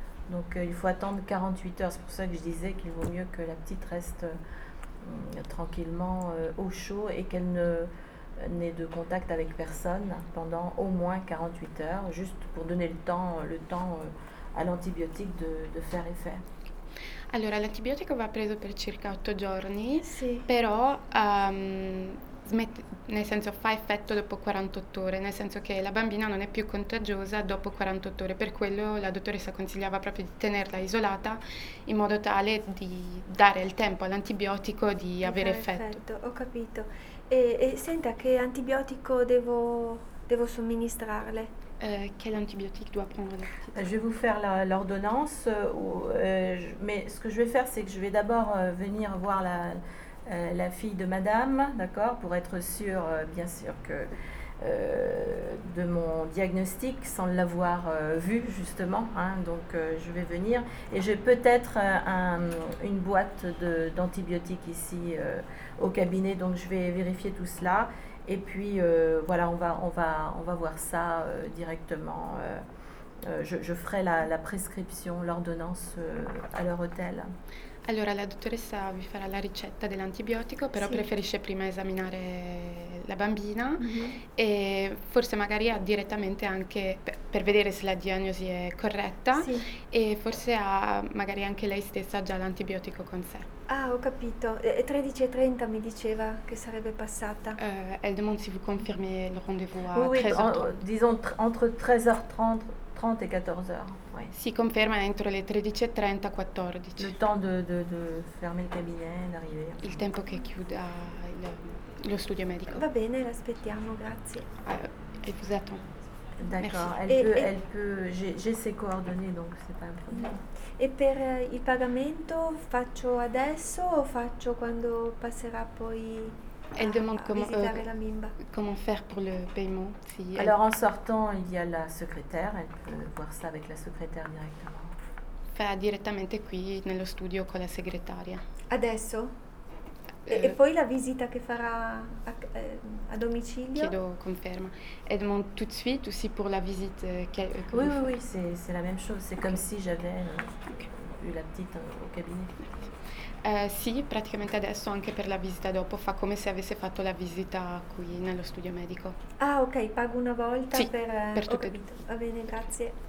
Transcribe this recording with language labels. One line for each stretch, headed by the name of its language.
French: Donc, il faut attendre 48 heures. C'est pour ça que je disais qu'il vaut mieux que la petite reste tranquillement au chaud et qu'elle ne n'ait de contact avec personne pendant au moins 48 heures, juste pour donner le temps à l'antibiotique de faire effet.
Italian: Allora, l'antibiotico va preso per circa 8 giorni, Sì. però smette, nel senso fa effetto dopo 48 ore, nel senso che la bambina non è più contagiosa dopo 48 ore, per quello la dottoressa consigliava proprio di tenerla isolata in modo tale di dare il tempo all'antibiotico di Di avere fare effetto. effetto, ho capito. E senta, che antibiotico devo somministrarle?
French: Quel antibiotico doit prendre la petite? Je vais vous faire l'ordonnance, mais ce que je vais faire, c'est que je vais d'abord venir voir la fille de madame, d'accord, pour être sûre, bien sûr, de mon diagnostic sans l'avoir vu justement. Hein. Donc je vais venir et j'ai peut-être une boîte d'antibiotiques ici au cabinet. Donc je vais vérifier tout cela. Et puis voilà, on va voir ça directement. Je ferai la prescription, l'ordonnance à leur hôtel.
Italian: Allora, la dottoressa vi farà la ricetta dell'antibiotico, però sì, preferisce prima esaminare la bambina e forse magari ha direttamente anche per vedere se la diagnosi è corretta e forse ha magari anche lei stessa già l'antibiotico con sé. Ah, ho capito. È 13:30 mi diceva che sarebbe passata.
French: Elle demande si vous confirmez le rendez-vous à 13h30. Disons entre 13h30 et 14h.
Italian: Si conferma entro le 13:30 14.
French: Le temps de fermer le cabinet, d'arriver.
Italian: Il tempo che chiuda lo studio medico. Va bene, l'aspettiamo, grazie.
French: E vous attend. D'accord, elle peut j'ai ses coordonnées donc c'est pas un problème.
Italian: E per il pagamento faccio adesso o faccio quando passerà poi?
French: Elle demande comment faire pour le paiement. Si elle... Alors en sortant, il y a la secrétaire, elle peut voir ça avec la secrétaire directement.
Italian: Fa direttamente qui nello studio con la segretaria. Adesso? E poi la visita che farà a domicilio? Chiedo conferma.
French: Elle demande tout de suite aussi pour la visite qu'elle. Oui, c'est la même chose. C'est comme si j'avais eu la petite au cabinet.
Italian: Sì, praticamente adesso anche per la visita dopo fa come se avesse fatto la visita qui nello studio medico. Ah, ok, pago una volta per tutte e due. Va bene, grazie.